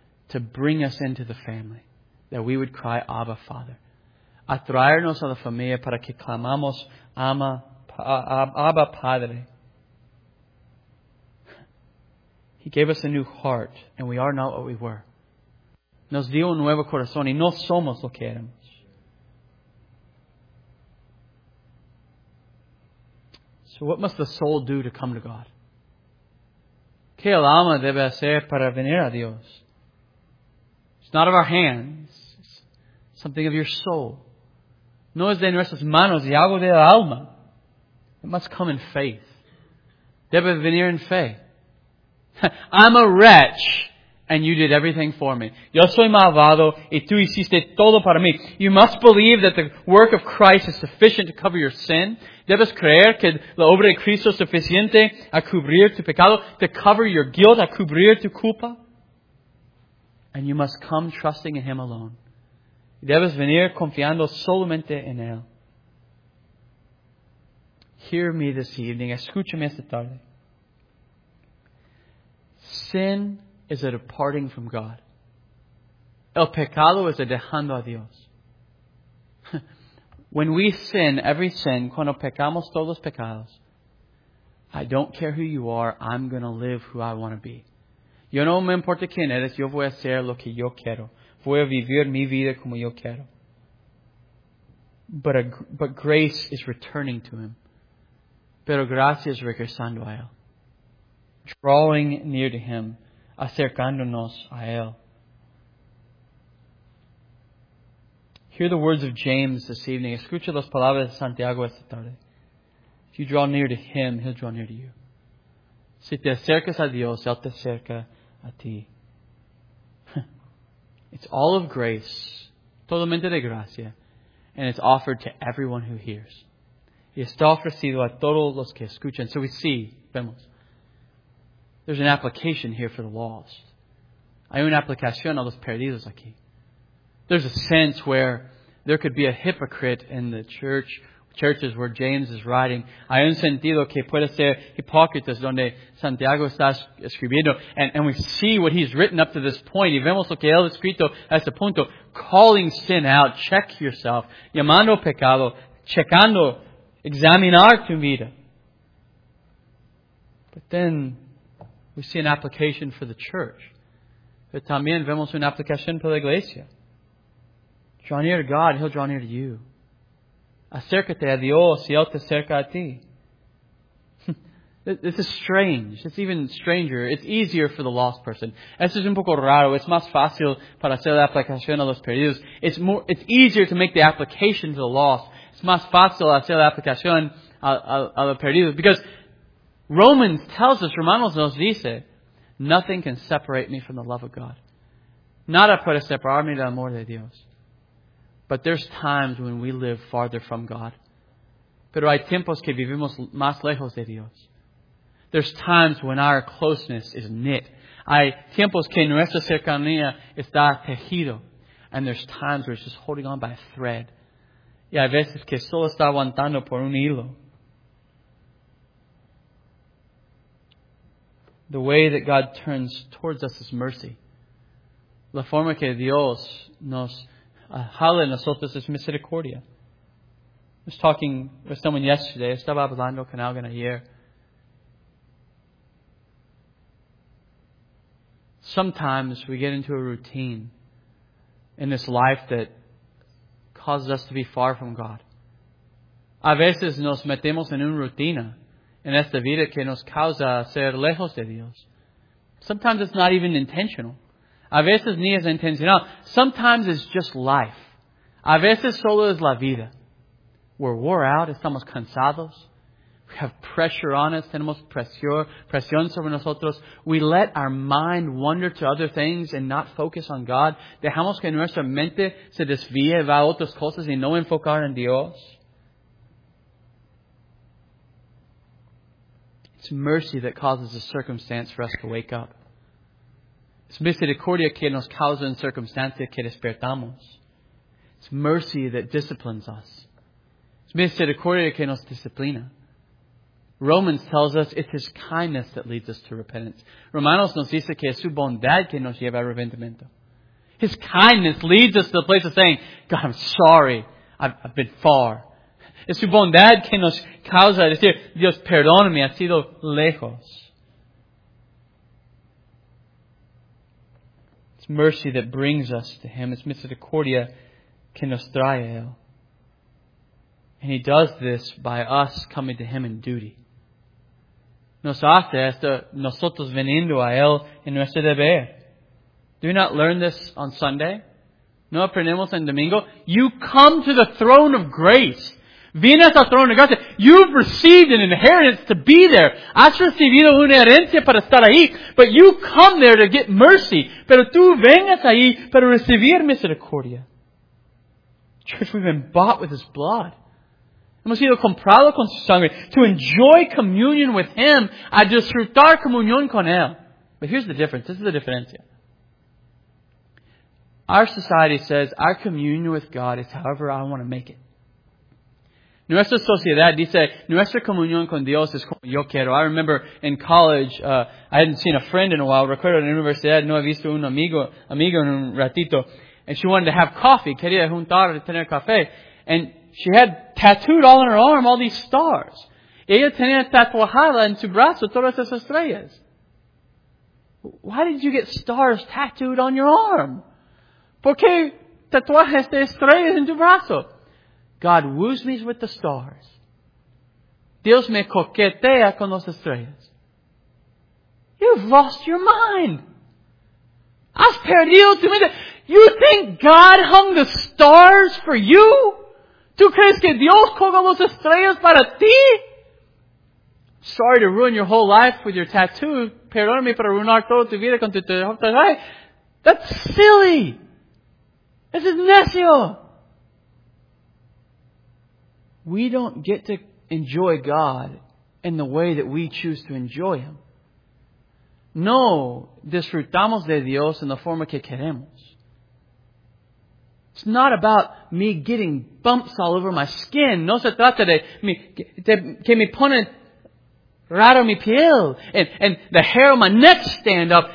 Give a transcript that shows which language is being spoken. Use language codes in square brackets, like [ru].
[en] To bring us into the family. That we would cry, Abba, Father. [es] Atraernos a la familia para que clamamos, Abba, Padre. [en] He gave us a new heart, and we are not what we were. [es] Nos dio un nuevo corazón, y no somos lo que éramos. [en] So what must the soul do to come to God? [es] ¿Qué el alma debe hacer para venir a Dios? [en] It's not of our hands. It's something of your soul. [es] No es de nuestras manos, y algo del alma. [en] It must come in faith. [es] Debe venir en fe. [en] I'm a wretch, and you did everything for me. [es] Yo soy malvado, y tú hiciste todo para mí. [en] You must believe that the work of Christ is sufficient to cover your sin. [es] Debes creer que la obra de Cristo es suficiente a cubrir tu pecado, [en] to cover your guilt, [es] a cubrir tu culpa. [en] And you must come trusting in Him alone. [es] Debes venir confiando solamente en Él. [en] Hear me this evening. [es] Escúchame esta tarde. [en] Sin is a departing from God. [es] El pecado es a dejando a Dios. [en] When we sin, every sin, [es] cuando pecamos todos los pecados, [en] I don't care who you are, I'm going to live who I want to be. [es] Yo no me importa quién eres, yo voy a hacer lo que yo quiero. Voy a vivir mi vida como yo quiero. [en] But grace is returning to Him. [es] Pero gracia es regresando a Él. [en] Drawing near to Him. [es] Acercándonos a Él. [en] Hear the words of James this evening. [es] Escucha las palabras de Santiago esta tarde. [en] If you draw near to Him, He'll draw near to you. [es] Si te acercas a Dios, Él te acerca a ti. [en] It's all of grace, [es] totalmente de gracia, [en] and it's offered to everyone who hears. [es] Y está ofrecido a todos los que escuchan. [en] So we see, [es] vemos, [en] there's an application here for the lost. [es] Hay una aplicación a los perdidos aquí. [en] There's a sense where there could be a hypocrite in the churches where James is writing. [es] Hay un sentido que puede ser hipócritas donde Santiago está escribiendo. [en] And we see what he's written up to this point. [es] Y vemos lo que él ha escrito a este punto. [en] Calling sin out. Check yourself. [es] Llamando pecado. Checando. Examinar tu vida. [en] But then we see an application for the church. [es] Pero también vemos una aplicación para la iglesia. [en] Draw near to God. He'll draw near to you. [es] Acércate a Dios y Él te acerca a ti. [en] This is strange. It's even stranger. It's easier for the lost person. [es] Esto es un poco raro. Es más fácil para hacer la aplicación a los perdidos. [en] It's easier to make the application to the lost. [es] Es más fácil hacer la aplicación a los perdidos. [en] Because Romans tells us, [es] Romanos nos dice, [en] nothing can separate me from the love of God. [es] Nada puede separarme del amor de Dios. [en] But there's times when we live farther from God. [es] Pero hay tiempos que vivimos más lejos de Dios. [en] There's times when our closeness is knit. [es] Hay tiempos que nuestra cercanía está tejido. [en] And there's times where it's just holding on by a thread. [es] Y hay veces que solo está aguantando por un hilo. [en] The way that God turns towards us is mercy. [es] La forma que Dios nos Jale en nosotros es misericordia. [en] I was talking with someone yesterday. [es] Estaba hablando con alguien ayer. [en] Sometimes we get into a routine in this life that causes us to be far from God. [es] A veces nos metemos en una rutina en esta vida que nos causa ser lejos de Dios. [en] Sometimes it's not even intentional. [es] A veces ni es intencional. [en] Sometimes it's just life. [es] A veces solo es la vida. [en] We're wore out. [es] Estamos cansados. [en] We have pressure on us. [es] Tenemos presión sobre nosotros. [en] We let our mind wander to other things and not focus on God. [es] Dejamos que nuestra mente se desvíe a otras cosas y no enfocar en Dios. [en] It's mercy that causes a circumstance for us to wake up. [es] It's misericordia que nos causa en circunstancias que despertamos. [en] It's mercy that disciplines us. [es] It's misericordia que nos disciplina. [en] Romans tells us it's His kindness that leads us to repentance. [es] Romanos nos dice que es su bondad que nos lleva a arrepentimiento. [en] His kindness leads us to the place of saying, God, I'm sorry, I've been far. [es] Es su bondad que nos causa decir, Dios, perdóname, ha sido lejos. [en] Mercy that brings us to Him. It's [es] misericordia que nos trae a Él. [en] And He does this by us coming to Him in duty. [es] nos hace esto, nosotros viniendo a Él en nuestro deber. [en] Do not learn this on Sunday. [es] No aprendemos en domingo. [en] You come to the throne of grace. [es] Vienes al trono de gracia. [en] You've received an inheritance to be there. [es] Has recibido una herencia para estar ahí. [en] But you come there to get mercy. [es] Pero tú vengas ahí para recibir misericordia. [en] Church, we've been bought with His blood. [es] Hemos sido comprado con su sangre. [en] To enjoy communion with Him. [es] A disfrutar comunión con Él. [en] But here's the difference. This is the diferencia. Our society says our communion with God is however I want to make it. [es] Nuestra sociedad dice, nuestra comunión con Dios es como yo quiero. [en] I remember in college, I hadn't seen a friend in a while. [es] Recuerdo en la universidad, no he visto un amigo en un ratito. [en] And she wanted to have coffee. [es] Quería juntar y tener café. [en] And she had tattooed all in her arm all these stars. [es] Y ella tenía tatuajada en su brazo todas esas estrellas. [en] Why did you get stars tattooed on your arm? [es] ¿Por qué tatuajes de estrellas en tu brazo? [en] God woos me with the stars. [es] Dios me coquetea con las estrellas. [en] You've lost your mind. [es] Has perdido tu mente. [en] You think God hung the stars for you? [es] ¿Tú crees que Dios colgó las estrellas para ti? [en] Sorry to ruin your whole life with your tattoo. [es] Perdóname para arruinar toda tu vida con tu tatuaje. [en] That's silly. This is necio. We don't get to enjoy God in the way that we choose to enjoy Him. [es] No disfrutamos de Dios en la forma que queremos. [en] It's not about me getting bumps all over my skin. [es] No se trata de que me ponen raro mi piel. [en] And the hair on my neck stand up.